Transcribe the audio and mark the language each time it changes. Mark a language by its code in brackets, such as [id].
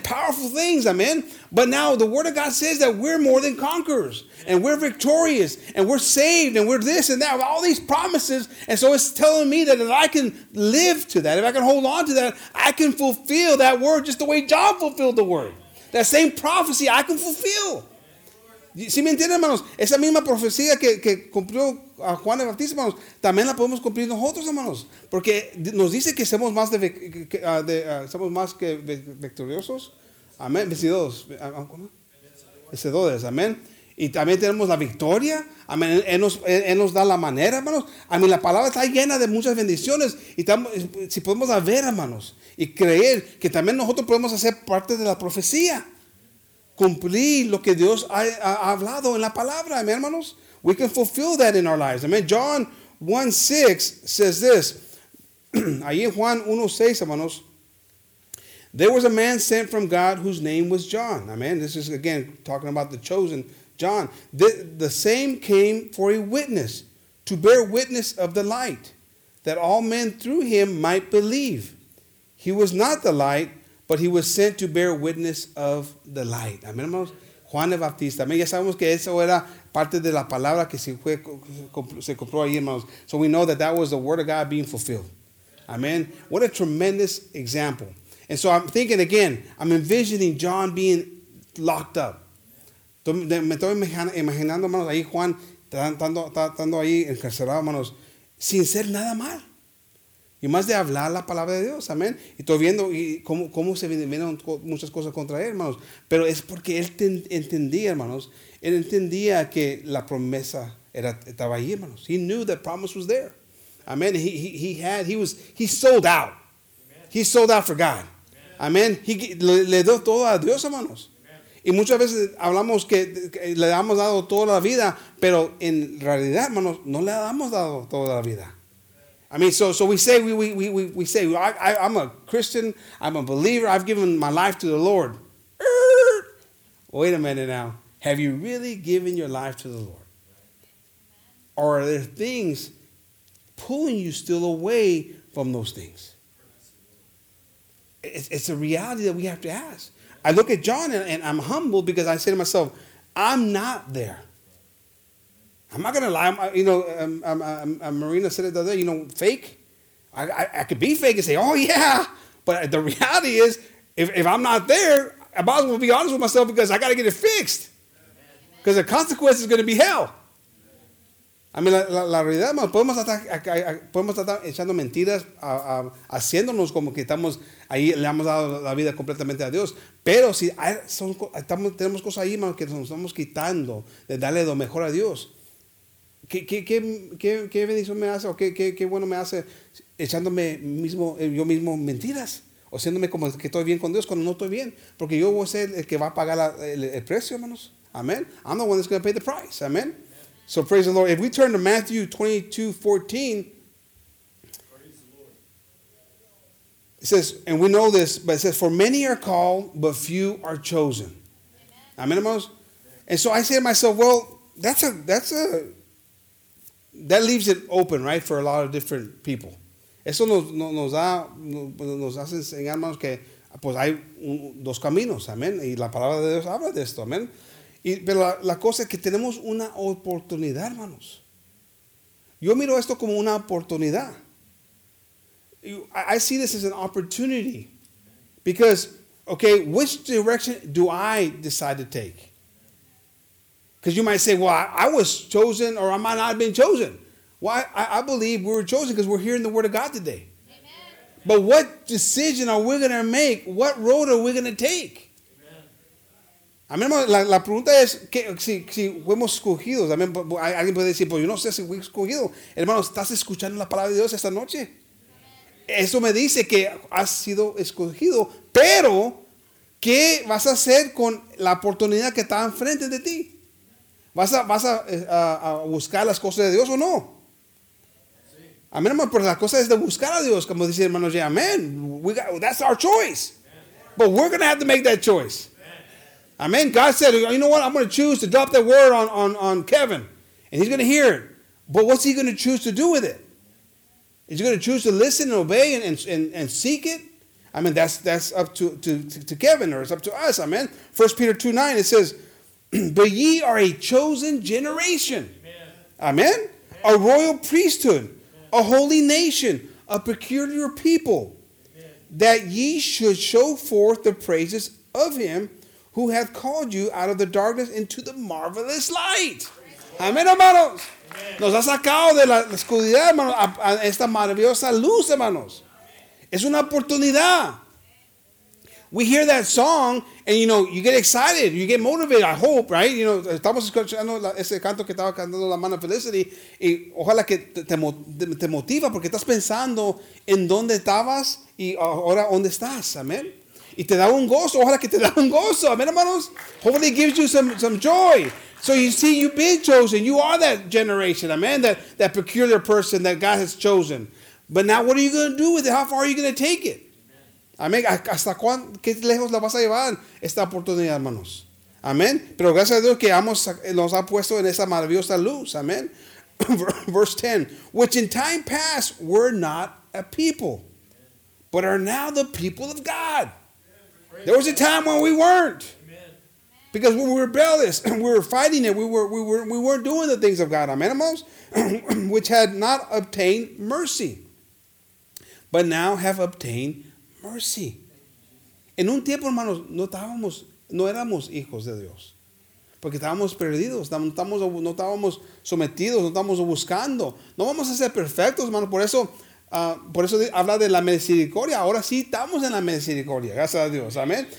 [en] Powerful things, amen? But now the Word of God says that we're more than conquerors, and we're victorious, and we're saved, and we're this and that, all these promises. And so it's telling me that if I can live to that, if I can hold on to that, I can fulfill that word just the way John fulfilled the word. That same prophecy I can fulfill. [es] ¿Sí me entienden, hermanos? Esa misma profecía que cumplió a Juan el Bautista, hermanos, también la podemos cumplir nosotros, hermanos. Porque nos dice que somos más de, somos más que victoriosos. Amén. Vencidos. Vencedores. Amén. Y también tenemos la victoria. Amén. Él nos da la manera, hermanos. A mí la palabra está llena de muchas bendiciones. Y estamos, si podemos ver, hermanos, y creer que también nosotros podemos hacer parte de la profecía. Cumplir lo que Dios ha hablado en la palabra. [en] Amén, hermanos. We can fulfill that in our lives. Amén. John 1:6 says this. [es] Ahí en Juan 1:6, hermanos. [en] There was a man sent from God whose name was John. Amén. This is, again, talking about the chosen John. The same came for a witness, to bear witness of the light, that all men through him might believe. He was not the light, but he was sent to bear witness of the light. [es] Amén, hermanos. Juan el Bautista. Amén. Ya sabemos que eso era parte de la palabra que se cumplió ahí, hermanos. [en] So we know that that was the word of God being fulfilled. Amén. What a tremendous example. And so I'm thinking again, I'm envisioning John being locked up. [es] Me estoy imaginando, hermanos, ahí Juan estando ahí encarcelado, hermanos, sin ser nada mal. Y más de hablar la palabra de Dios, amén. Y estoy viendo y cómo se vienen muchas cosas contra él, hermanos. Pero es porque él entendía, hermanos. Él entendía que la promesa estaba ahí, hermanos. [en] He knew the promise was there. Amén. He sold out. Amen. He sold out for God. Amén. [es] Le dio todo a Dios, hermanos. Y muchas veces hablamos que le hemos dado toda la vida, pero en realidad, hermanos, no le hemos dado toda la vida. [en] I mean, so we say, we say, I'm a Christian, I'm a believer, I've given my life to the Lord. Wait a minute now. Have you really given your life to the Lord? Or are there things pulling you still away from those things? It's a reality that we have to ask. I look at John and I'm humbled because I say to myself, I'm not there. I'm not going to lie. Marina said it the other day, you know, fake. I could be fake and say, oh, yeah. But the reality is, if I'm not there, I might as well be honest with myself because I got to get it fixed. Because the consequence is going to be hell. I mean, [es] la realidad, podemos estar echando mentiras, haciéndonos como que estamos ahí, le hemos dado la vida completamente a Dios. Pero si tenemos cosas ahí, hermano, que nos estamos quitando de darle lo mejor a Dios. ¿Qué bendición me hace o qué bueno me hace echándome yo mismo mentiras? O haciéndome como que estoy bien con Dios cuando no estoy bien. Porque yo voy a ser el que va a pagar el precio, hermanos. Amén. [en] I'm the one that's going to pay the price. Amén. So praise the Lord. If we turn to Matthew 22:14, it says, and we know this, but it says, for many are called, but few are chosen. Amen, hermanos. And so I say to myself, well, that leaves it open, right, for a lot of different people. [es] Eso nos hace enseñar, hermanos, que pues hay dos caminos, amén. Y la palabra de Dios habla de esto, amén. Pero la cosa es que tenemos una oportunidad, hermanos. Yo miro esto como una oportunidad. [en] I see this as an opportunity. Because, okay, which direction do I decide to take? Because you might say, well, I was chosen or I might not have been chosen. Well, I believe we were chosen because we're hearing the word of God today. Amen. But what decision are we going to make? What road are we going to take? [es] Amén, la pregunta es que si fuimos escogidos. Amén, alguien puede decir, pues yo no sé si fui escogido. Hermano, ¿estás escuchando la palabra de Dios esta noche? Eso me dice que has sido escogido, pero ¿qué vas a hacer con la oportunidad que está enfrente de ti? ¿Vas a buscar las cosas de Dios o no? Amén, hermano, pero la cosa es de buscar a Dios, como dice hermano Jay, amén. [en] That's our choice. But we're going to have to make that choice. Amen. God said, you know what? I'm going to choose to drop that word on Kevin. And he's going to hear it. But what's he going to choose to do with it? Is he going to choose to listen and obey and seek it? I mean, that's up to Kevin, or it's up to us. Amen. 1 Peter 2:9, it says, but ye are a chosen generation. Amen. A royal priesthood. Amen. A holy nation. A peculiar people. Amen. That ye should show forth the praises of him who hath called you out of the darkness into the marvelous light. [es] Amén, hermanos. Nos ha sacado de la oscuridad, hermanos, a esta maravillosa luz, hermanos. Es una oportunidad. [en] We hear that song, and you know, you get excited, you get motivated, I hope, right? You know, [es] estamos escuchando ese canto que estaba cantando la mano Felicity, y ojalá que te motiva, porque estás pensando en dónde estabas y ahora dónde estás, amén. Y te da un gozo, ojalá que te da un gozo, amén, hermanos. [en] Hopefully it gives you some joy. So you see, you've been chosen, you are that generation, amén, that peculiar person that God has chosen. But now what are you going to do with it? How far are you going to take it? Amén. [es] ¿Hasta qué lejos la vas a llevar esta oportunidad, hermanos? Amén. Pero gracias a Dios que nos ha puesto en esa maravillosa luz. [en] Amén. Verse 10. Which in time past were not a people, but are now the people of God. There was a time when we weren't. Because we were rebellious. We were fighting it. We weren't doing the things of God. Amén, hermanos. Which had not obtained mercy, but now have obtained mercy. Mercy. [es] En un tiempo, hermanos, no éramos hijos de Dios. Porque estábamos perdidos. No estábamos sometidos. No estábamos buscando. No vamos a ser perfectos, hermanos. Por eso habla de la misericordia. Ahora sí estamos en la misericordia. Gracias a Dios. Amén.